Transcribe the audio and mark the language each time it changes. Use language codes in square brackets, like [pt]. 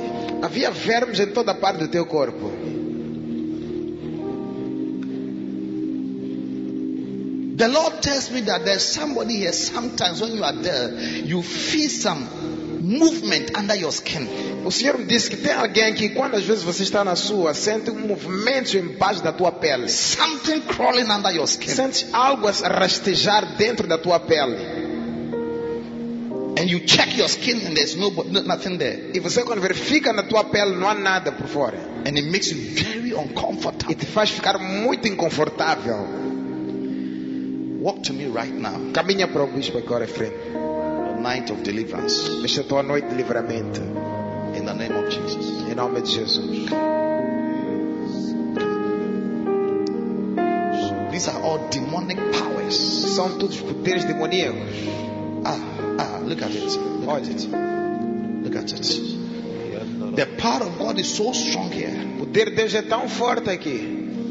[pt] Havia vermes em toda parte do teu corpo. [en] The Lord tells me that there's somebody here. Sometimes when you are there, you feel some movement under your skin. [pt] O Senhor me disse que tem alguém que quando às vezes você está na sua, sente movimento embaixo da tua pele. [en] Something crawling under your skin. [pt] Sente algo a rastejar dentro da tua pele. [en] And you check your skin and there's no nothing there. [pt] E você quando verifica na tua pele, não há nada por fora. [en] And it makes you very uncomfortable. [pt] E te faz ficar muito inconfortável. [en] Walk to me right now. [pt] Caminha para o bispo agora, [en] friend. Night of deliverance. [pt] Esta é a tua noite de livramento. [en] In the name of Jesus. [pt] Em nome de Jesus. [en] These are all demonic powers. [pt] São todos poderes demoníacos. [en] Ah, look at it. Look at it. The power of God is so strong here. [pt] O poder de Deus é tão forte aqui.